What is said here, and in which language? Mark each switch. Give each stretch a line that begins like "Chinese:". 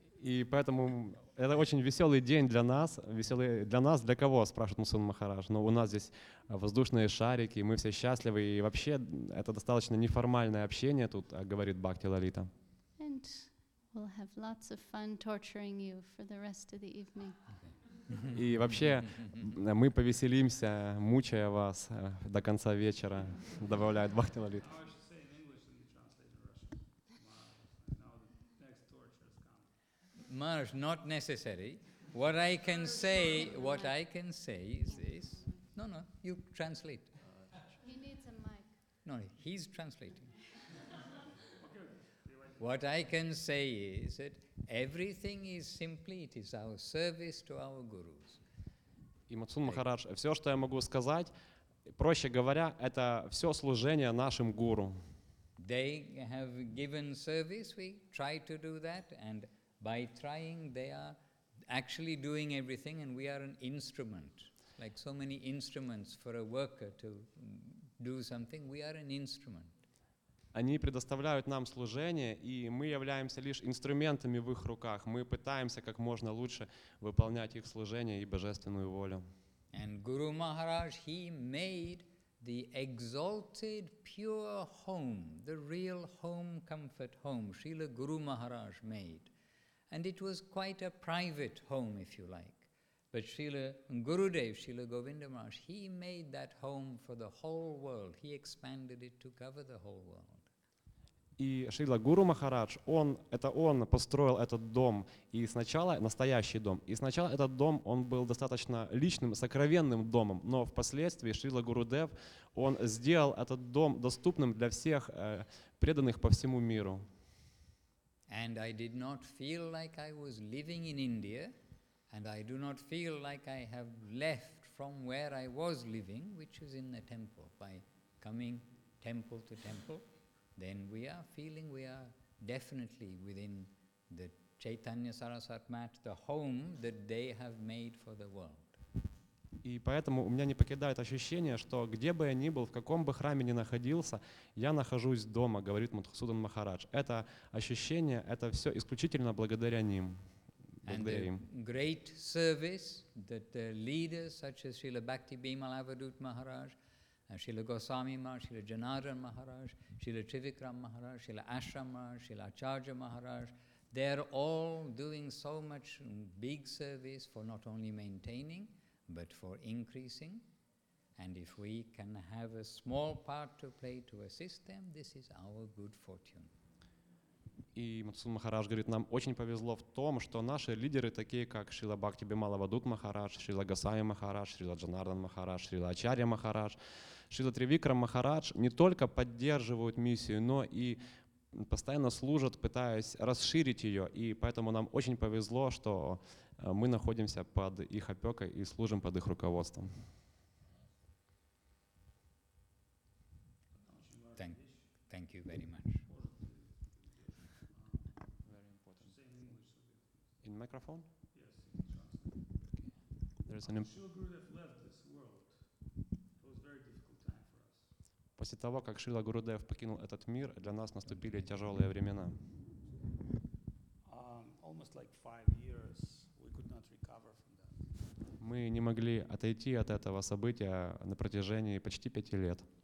Russian: И поэтому это очень веселый день для нас. Веселый для нас, для кого, спрашивает Мусун Махарадж. Но у нас здесь воздушные шарики, мы все счастливы. И вообще это достаточно неформальное общение, тут говорит Бхакти Лалита.
English: And we'll have lots of fun torturing you for the rest of the evening.
Russian: И вообще мы повеселимся, мучая вас до конца вечера, добавляет Бхакти Лалита.
English: Marsh, not necessary. What I can say is this. No, you translate. He needs a mic. No, he's translating. What I can say is that everything is simply, it is our service to our gurus.
Russian: И Мадхусудан Махарадж, все, что я могу сказать, Проще говоря, это все служение нашим гуру.
English: They have given service, we try to do that, and by trying they are actually doing everything, and we are an instrument, like so many instruments for a worker to do something, we are an instrument.
Russian: Они предоставляют нам служение, и мы являемся лишь инструментами в их руках. Мы пытаемся как можно лучше выполнять их служение и божественную волю.
English: And Guru Maharaj, he made the exalted pure home, the real home comfort home, Srila Guru Maharaj made. And it was quite a private home, if you like. But Srila Gurudev, Srila Govinda Maharaj, he made that home for the whole world. He expanded it to cover the whole world.
Russian: И Шрила Гуру Махарадж, он построил этот дом, и сначала, настоящий дом, и сначала этот дом, он был достаточно личным, сокровенным домом, но впоследствии Шрила Гурудев, он сделал этот дом доступным для всех преданных по всему миру.
English: And I did not feel like I was living in India, and I do not feel like I have left from where I was living, which was in the temple, by coming temple to temple. Then we are feeling we are definitely within the Chaitanya Sarasvat mat, the home that they have made for the world.
Russian: И поэтому у меня не покидает ощущение, что где бы я ни был, в каком бы храме ни находился, я нахожусь дома, говорит Мадхусудан Махарадж. Это ощущение, это все исключительно благодаря ним.
English: And the great service that the leaders such as Srila Bhakti Bimal Avadhut Maharaj, Srila Goswami Maharaj, Srila Janardhan Maharaj, Srila Trivikram Maharaj, Srila Ashram Maharaj, Srila Acharya Maharaj, they are all doing so much big service for not only maintaining, but for increasing. And if we can have a small part to play to assist them, this is our good fortune.
Russian: И Мадхусудан Махарадж говорит, нам очень повезло в том, что наши лидеры, такие как Шрила Бхакти Бимала Авадут Махарадж, Шрила Госвами Махарадж, Шрила Джанардан Махарадж, Шрила Ачарья Махарадж, Шрила Тривикрам Махарадж, не только поддерживают миссию, но и постоянно служат, пытаясь расширить ее. И поэтому нам очень повезло, что мы находимся под их опекой и служим под их руководством.
English: Thank you very much. Microphone? Yes, there's an Srila Gurudev left this world. It was a very difficult time for us.
Russian: После того, как Шрила Гурудев покинул этот мир, для нас наступили тяжелые времена.
English: Almost like 5 years we could not recover from that.
Russian: Мы не могли отойти от этого события на протяжении почти 5 лет.